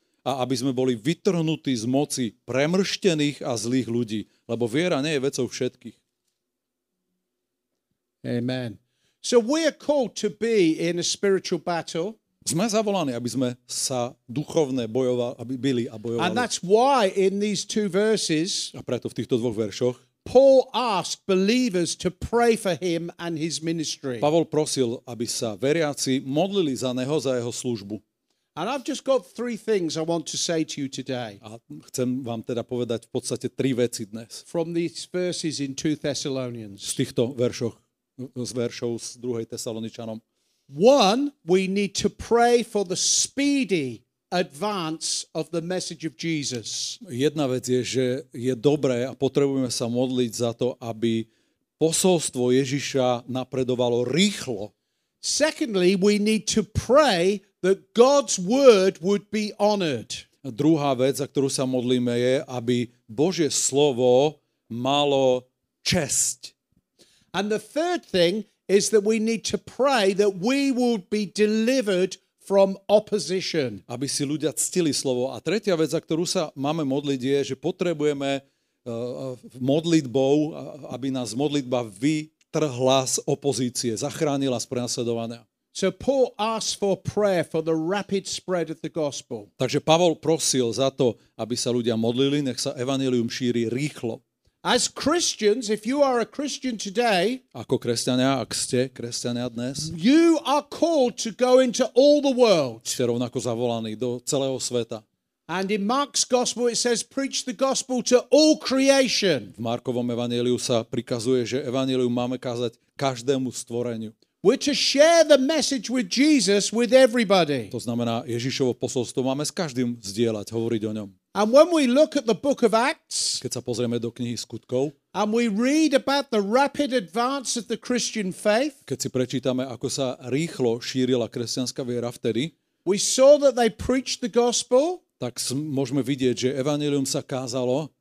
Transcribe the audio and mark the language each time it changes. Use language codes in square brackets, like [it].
[sk] A aby sme boli vytrhnutí z moci premrštených a zlých ľudí, lebo viera nie je vecou všetkých. Amen. [en] So we are called to be in a spiritual battle. [sk] Sme zavolaní, aby sme sa duchovne bojovali, aby byli a bojovali. [en] And that's why in these two verses, [sk] a preto v týchto dvoch veršoch, [en] Paul asked believers to pray for him and his ministry. [sk] Pavol prosil, aby sa veriaci modlili za neho, za jeho službu. [en] And I've just got three things I want to say to you today. [sk] A chcem vám teda povedať v podstate tri veci dnes. [en] From these verses in 2 Thessalonians. [sk] Z týchto veršov z 2. Tesaloničanom. [en] One, we need to pray for the speedy advance of the message of Jesus. [sk] Jedna vec je, že je dobré a potrebujeme sa modliť za to, aby posolstvo Ježiša napredovalo rýchlo. [en] Secondly, we need to pray that God's word would be honored. [sk] Druhá vec, za ktorú sa modlíme, je, aby Božie slovo malo česť. [en] And the third thing is that we need to pray that we would be delivered from opposition. [sk] Aby si ľudia ctili slovo. A tretia vec, za ktorú sa máme modliť, je, že potrebujeme modlitbou, aby nás modlitba vytrhla z opozície, zachránila z prenasledovania. [en] So Paul asked for prayer for the rapid spread of the gospel. [sk] Takže Pavol prosil za to, aby sa ľudia modlili, nech sa evanjelium šíri rýchlo. [en] As Christians, if you are a Christian today, [sk] ako kresťania, ak ste kresťania dnes, [en] you are called to go into all the world. [sk] Ste rovnako zavolaní do celého sveta. [en] And in Mark's gospel it says preach the gospel to all creation. [sk] V Markovom evanjeliu sa prikazuje, že evanjelium máme kázať každému stvoreniu. [en] We're to share the message with Jesus with everybody. [sk] To znamená, Ježišovo posolstvo máme s každým zdieľať, hovoriť o ňom. [en] And when we look at the book of Acts, [sk] keď sa pozrieme do knihy Skutkov, [en] and we read about the rapid advance of the Christian faith, [sk] keď si prečítame, ako sa rýchlo šírila kresťanská viera vtedy, [en] we saw that they preached the gospel, [sk] tak môžeme vidieť, že evanjelium sa kázalo,